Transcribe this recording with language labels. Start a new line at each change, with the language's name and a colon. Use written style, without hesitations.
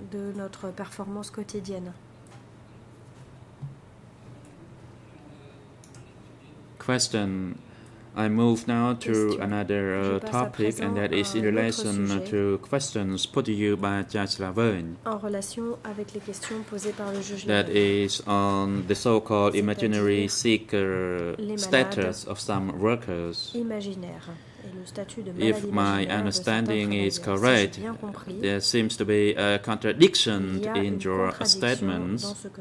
French: De notre performance quotidienne.
English: Question. I move now to another topic, and that is in relation to questions put to you by Judge Laverne.
French: En relation avec les questions posées par le juge.
English: That is on the so-called imaginary seeker status of some workers.
French: Imaginaire.
English: If my understanding is correct, there seems to be a contradiction in your statements.